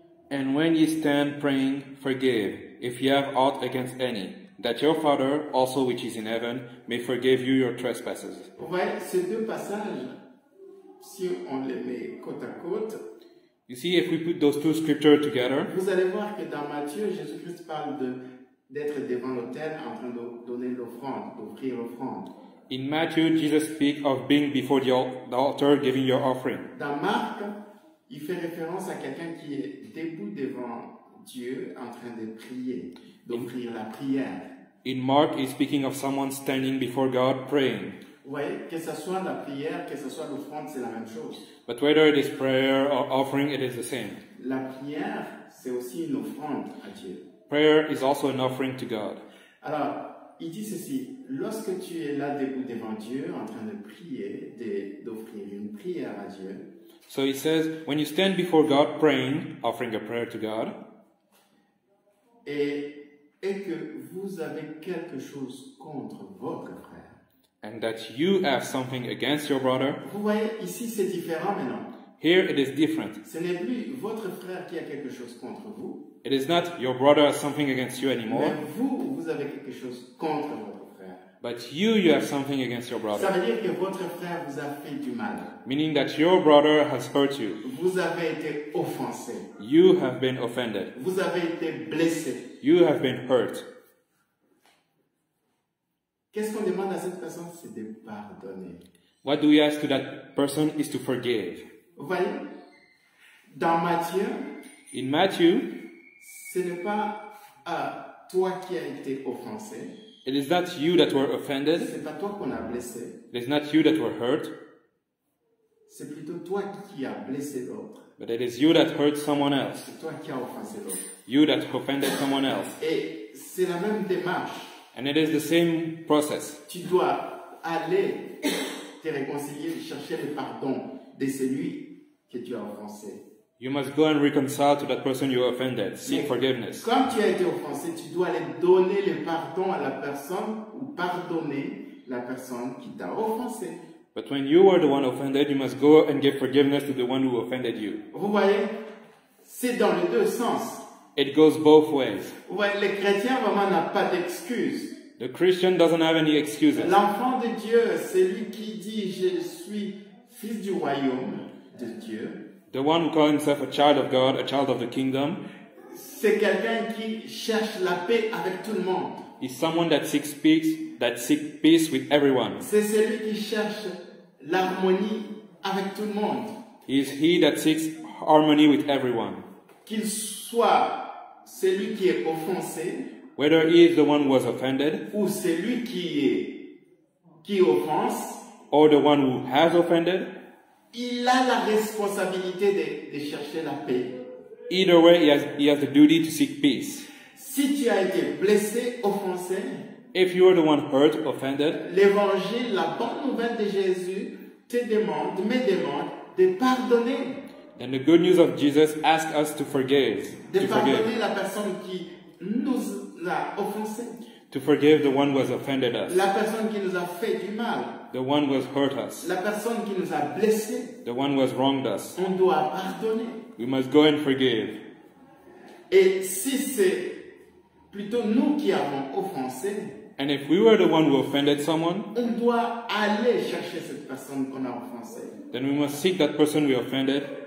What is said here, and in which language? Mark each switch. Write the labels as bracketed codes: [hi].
[en] And when you stand praying, forgive, if you have aught against any, that your Father also which is in heaven may forgive you your trespasses. [fr] Vous voyez, ces deux passages, si on les met côte à côte, [en] you see, if we put those two scriptures together, [fr] vous allez voir que dans Matthieu, Jésus-Christ parle de, d'être devant l'autel en train de donner l'offrande, d'offrir l'offrande. [en] In Matthew, Jesus speaks of being before the altar, giving your offering. [fr] Dans Marc, il fait référence à quelqu'un qui est debout devant Dieu en train de prier, d'offrir la prière. [en] In Mark, he's speaking of someone standing before God praying. [fr] Oui, que ce soit la prière, que ce soit l'offrande, c'est la même chose. [en] But whether it is prayer or offering, it is the same. [fr] La prière, c'est aussi une offrande à Dieu. [en] Prayer is also an offering to God. [fr] Alors, il dit ceci, lorsque tu es là debout devant Dieu, en train de prier, d'offrir une prière à Dieu. [en] So he says, when you stand before God praying, offering a prayer to God. [fr] Et que vous avez quelque chose contre votre frère. [en] And that you have something against your brother. [fr] Vous voyez, ici c'est différent maintenant. [en] Here it is different. [fr] Ce n'est plus votre frère qui a quelque chose contre vous. [en] It is not your brother has something against you anymore. [fr] Mais vous avez quelque chose contre votre frère. [en] But you have something against your brother. [fr] Ça veut dire que votre frère vous a fait du mal. [en] Meaning that your brother has hurt you. [fr] Vous avez été offensé. [en] You have been offended. [fr] Vous avez été blessé. [en] You have been hurt. [fr] Qu'est-ce qu'on demande à cette personne? C'est de pardonner. [en] What do we ask to that person is to forgive. [fr] Vous voyez? Dans Matthieu, [en] in Matthew, [fr] ce n'est pas toi qui as été offensé. [en] It is not you that were offended. [fr] C'est pas toi qu'on a blessé. [en] It is not you that were hurt. [fr] C'est plutôt toi qui as blessé l'autre. [en] But it is you that hurt someone else. [fr] C'est toi qui as offensé l'autre. [en] You that offended someone else. [fr] Et c'est la même démarche. [en] And it is the same process. [fr] Tu dois aller te réconcilier, chercher le pardon de celui que tu as offensé. [en] You must go and reconcile to that person you offended. Seek [fr] Mais [en] forgiveness. [fr] Comme tu as été offensé, tu dois aller donner le pardon à la personne ou pardonner la personne qui t'a offensé. [en] But when you are the one offended, you must go and give forgiveness to the one who offended you. [fr] Vous voyez, c'est dans les deux sens. [en] It goes both ways. [fr] Ouais, le chrétien vraiment n'a pas d'excuses. [en] The Christian doesn't have any excuses. [fr] L'enfant de Dieu, c'est lui qui dit je suis fils du royaume de Dieu. [en] The one who calls himself a child of God, a child of the kingdom. [fr] C'est quelqu'un qui cherche la paix avec tout le monde. [en] He's someone that seeks peace with everyone. [fr] C'est celui qui cherche l'harmonie avec tout le monde. [en] He's he that seeks harmony with everyone. [fr] Qu'il soit celui qui est offensé, [en] whether he is the one who was offended, [fr] ou celui qui offense, [en] or the one who has offended, [fr] il a la responsabilité de chercher la paix. [en] Either way, he has the duty to seek peace. [fr] Si tu as été blessé, offensé, [en] if you are the one hurt, offended, [fr] l'évangile, la bonne nouvelle de Jésus, te demande, me demande, de pardonner. [en] Then the good news of Jesus asks us to forgive. [fr] De pardonner la personne qui nous a offensé. [en] To forgive the one who has offended us. [fr] La personne qui nous a fait du mal. [en] The one who has hurt us. [fr] La personne qui nous a blessé. [en] The one who has wronged us. [fr] On doit pardonner. [en] We must go and forgive. [fr] Et si c'est plutôt nous qui avons offensé, [en] and if we were the one who offended someone, [fr] on doit aller chercher cette personne qu'on a offensé. [en] Then we must seek that person we offended.